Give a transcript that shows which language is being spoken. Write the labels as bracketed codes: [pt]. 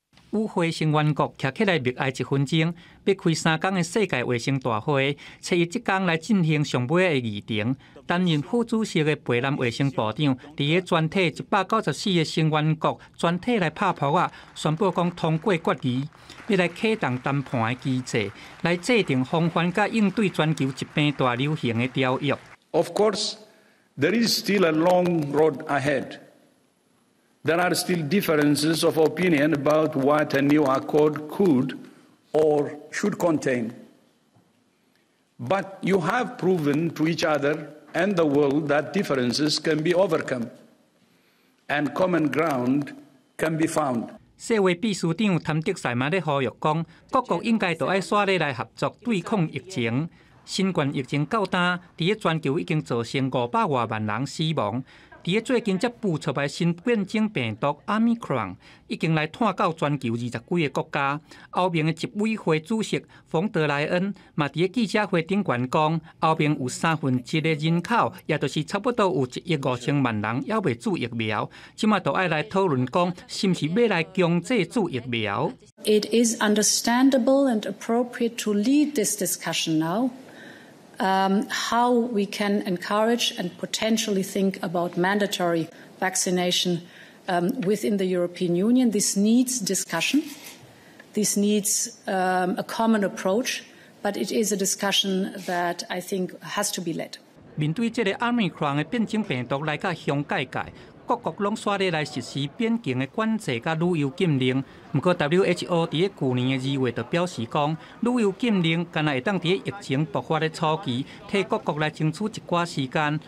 [nan] 与会成员国站起来默哀一分钟，要开3天的世界卫生大会，找伊即天来进行上尾的议程。担任副主席的贝兰卫生部长，伫个全体194个成员国全体来拍脯啊，宣布讲通过决议，要来启动谈判的机制，来制定防范甲应对全球疾病大流行的条约。 [en] Of course, there is still a long road ahead. There are still differences of opinion about what a new accord could or should contain. But you have proven to each other and the world that differences can be overcome. and common ground can be found。 [nan] 世卫秘书长谭德赛嘛咧呼吁讲，各国应该都爱刷咧来合作对抗疫情。新冠疫情较大，伫个全球已经造成500多万人死亡。伫个最近才爆出来新变种病毒 Omicron， 已经来探到全球20几个国家。欧盟的执委会主席冯德莱恩嘛伫个记者会顶悬讲，欧盟有1/3的人口，也就是差不多有1亿5000万人还未注疫苗，即马都爱来讨论讲，是毋是要来强制注疫苗 [en] ？It is understandable and appropriate to lead this discussion now. How we can encourage and potentially think about mandatory vaccination within the European Union. This needs discussion. This needs a common approach, but it is a discussion that I think has to be led. [nan] 面对这个奥密克戎的变种病毒来到香港界，各国拢刷咧来实施边境的管制甲旅游禁令。不过 ，WHO 伫咧去年的2月就表示讲，旅游禁令干那会当伫咧疫情爆发的初期，替各国来争取一寡时间。